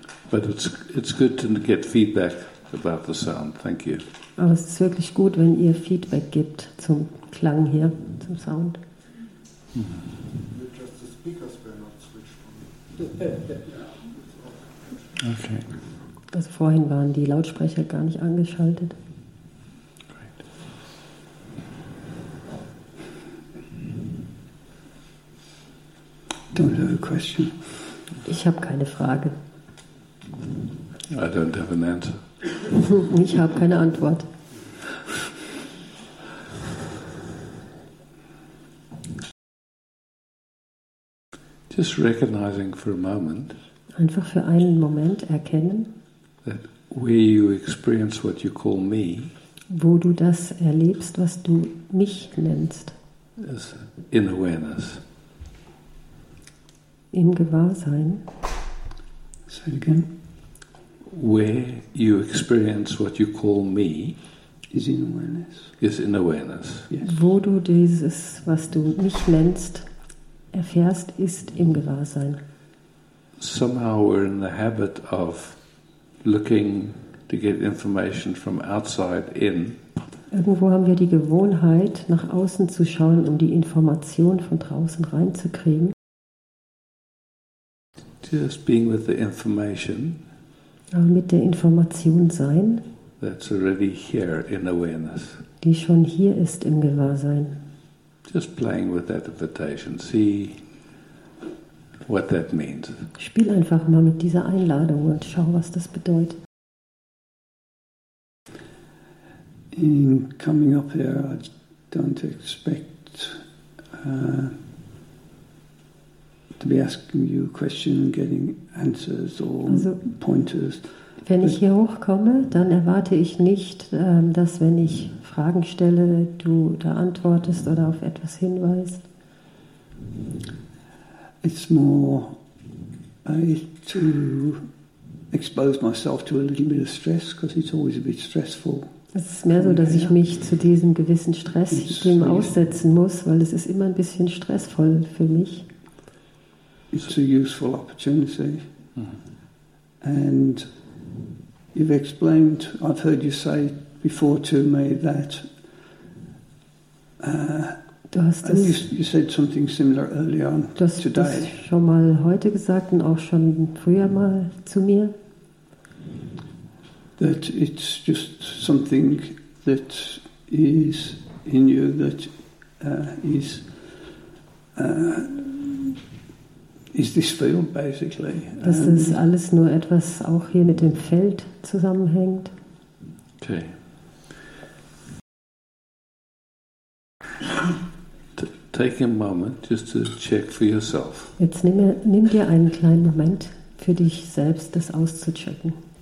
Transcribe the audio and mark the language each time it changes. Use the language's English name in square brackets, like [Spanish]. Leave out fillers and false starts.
[English] But it's good to get feedback about the sound. Thank you. [German] Aber es ist wirklich gut, wenn ihr Feedback gibt zum Klang hier, zum Sound. [English] Okay. [German] Also vorhin waren die Lautsprecher gar nicht angeschaltet. [English] don't have a question. [German] Ich habe keine Frage. [English] I don't have an answer. [German] Ich habe keine Antwort. [English] Just recognizing for a moment. [German] Einfach für einen Moment erkennen. [English] That where you experience what you call me. [German] Wo du das erlebst, was du mich nennst. [English] Is in awareness. [German] Im Gewahrsein. [English] Say it again. Where you experience what you call me. Is in awareness. Is in awareness. Yes. [German] Wo du dieses, was du mich nennst, erfährst, ist im Gewahrsein. [English] Somehow we're in the habit of looking to get information from outside in. [German] Irgendwo haben wir die Gewohnheit, nach außen zu schauen, um die Information von draußen reinzukriegen. [English] Just being with the information. [German] Aber mit der Information sein. [English] That's already here in awareness. [German] Die schon hier ist im Gewahrsein. [English] Just playing with that invitation. See what that means. [German] Spiel einfach mal mit dieser Einladung und schau, was das bedeutet. [English] In coming up here, I don't expect to be asking you a question and getting answers or also, pointers. [German] Wenn ich hier hochkomme, dann erwarte ich nicht, dass wenn ich Fragen stelle, du da antwortest oder auf etwas hinweist. [English] It's more to expose myself to a little bit of stress, because it's always a bit stressful. [German] Es ist mehr so, dass ich mich zu diesem gewissen Stress dem aussetzen muss, weil es ist immer ein bisschen stressvoll für mich. [English] It's a useful opportunity. Mm-hmm. And you've explained, I've heard you say before to me that [German] du hast das, [English] you said something similar early on [German] das, [English] today. [German] Das schon mal heute gesagt und auch schon früher mal zu mir. [English] That it's just something that is in you that is this field basically. [German] Das ist alles nur etwas auch hier mit dem Feld zusammenhängt. [English] Okay. Take a moment just to check for yourself. [German] Jetzt nimm dir einen kleinen Moment für dich selbst, das auszuchecken.